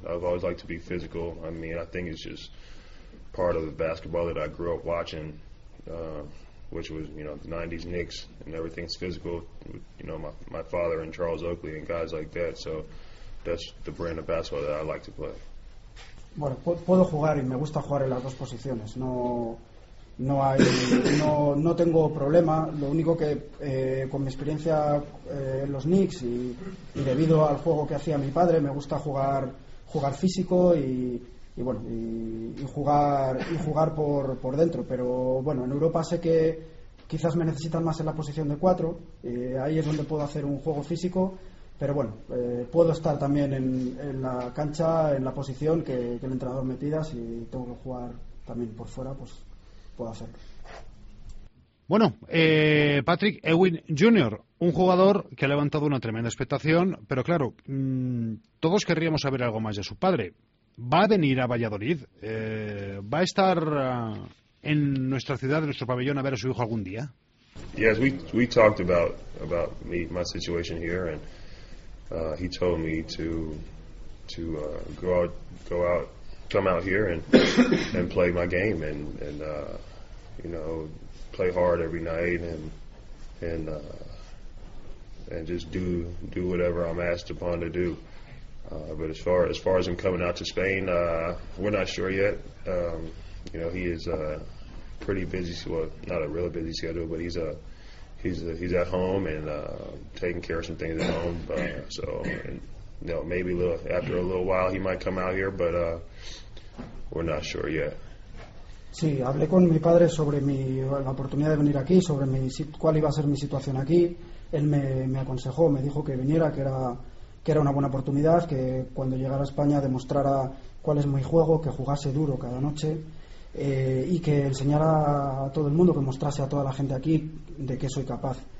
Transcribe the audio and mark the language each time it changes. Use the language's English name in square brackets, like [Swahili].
[English] I've always liked to be physical. I mean, I think it's just part of the basketball that I grew up watching, which was, you know, the 90s Knicks, and everything's physical, you know, my father and Charles Oakley and guys like that, so that's the brand of basketball that I like to play. [Spanish] Bueno, puedo jugar y me gusta jugar en las dos posiciones. No tengo problema. Lo único que con mi experiencia en los Knicks y debido al juego que hacía mi padre, me gusta jugar físico y jugar por dentro, pero bueno, en Europa sé que quizás me necesitan más en la posición de 4, ahí es donde puedo hacer un juego físico, pero bueno, puedo estar también en la cancha, en la posición que el entrenador me pida. Si tengo que jugar también por fuera, pues puedo hacerlo. Bueno, Patrick Ewing Jr., un jugador que ha levantado una tremenda expectación, pero claro, todos querríamos saber algo más de su padre. ¿Va a venir a Valladolid? ¿Va a estar en nuestra ciudad, en nuestro pabellón, a ver a su hijo algún día? [English] Yes, we talked about me, my situation here, and he told me to come out here and play my game and you know, play hard every night and just do whatever I'm asked upon to do. But as far as him coming out to Spain, we're not sure yet. You know, he is pretty busy. Well, not a really busy schedule, but he's at home and taking care of some things at home. So, and, you know, maybe after a little while he might come out here, but we're not sure yet. [Spanish] Sí, hablé con mi padre sobre la oportunidad de venir aquí, sobre cuál iba a ser mi situación aquí. Él me aconsejó, me dijo que viniera, que era una buena oportunidad, que cuando llegara a España demostrara cuál es mi juego, que jugase duro cada noche y que enseñara a todo el mundo, que mostrase a toda la gente aquí de qué soy capaz.